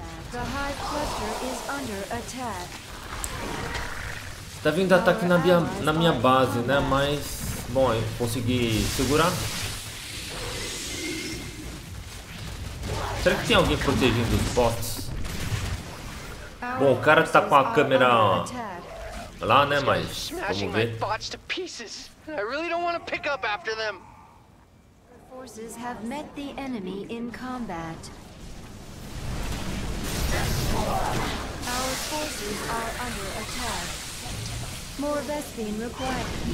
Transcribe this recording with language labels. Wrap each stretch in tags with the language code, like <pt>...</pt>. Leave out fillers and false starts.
<en>The hive cluster is under attack.</en> <pt>Tá vindo ataque na minha base, né? Mas bom, eu consegui segurar. Será que tem alguém protegendo os bots? Bom, o cara tá com a câmera lá, né? Mas vamos ver.</pt> <en>Bots to pieces. I really don't want to pick up after them. Forces have met the enemy in combat. Our forces are under attack. More Vespin required.</en>